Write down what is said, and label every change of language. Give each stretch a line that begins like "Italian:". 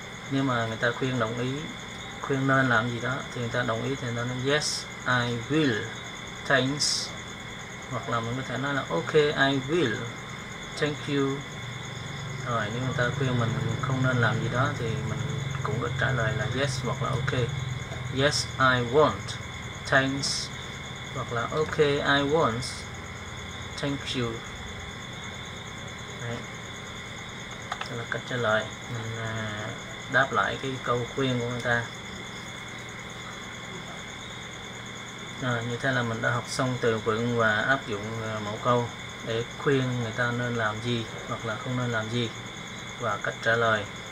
Vietnamese: Nếu mà người ta khuyên đồng ý, khuyên nên làm gì đó thì người ta đồng ý thì người ta nói
English: yes I will, thanks,
Vietnamese: hoặc là mình có thể nói là
English: ok I will, thank you.
Vietnamese: Rồi nếu người ta khuyên mình không nên làm gì đó thì mình cũng có trả lời là yes hoặc là ok.
English: Yes I won't, thanks,
Vietnamese: hoặc là
English: ok I won't, thank you.
Vietnamese: Đấy. Đó là cách trả lời. Mình đáp lại cái câu khuyên của người ta. Rồi, như thế là mình đã học xong từ vựng và áp dụng mẫu câu để khuyên người ta nên làm gì hoặc là không nên làm gì và cách trả lời.